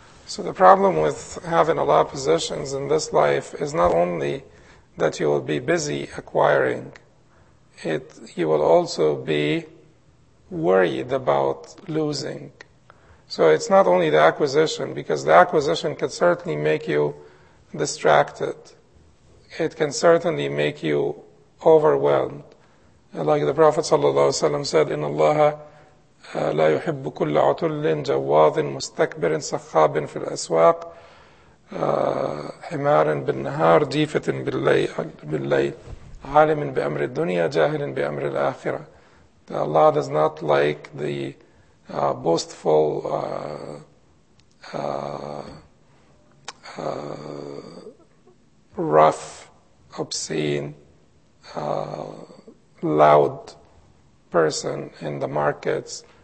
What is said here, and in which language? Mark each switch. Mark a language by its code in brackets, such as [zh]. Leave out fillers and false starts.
[en] So the problem with having a lot of possessions in this life is not only that you will be busy acquiring, you will also be worried about losing. So it's not only the acquisition, because the acquisition could certainly make you distracted. It can certainly make you overwhelmed. Like the Prophet ﷺ said, "In Allah, [ar] لا يحب كل عتل جواذ مستكبر سخاب في الأسواق حمار بالنهار جيفة بالليل عالم بأمر الدنيا جاهل بأمر الآخرة." [en] Allah does not like the boastful rough, obscene, loud person in the markets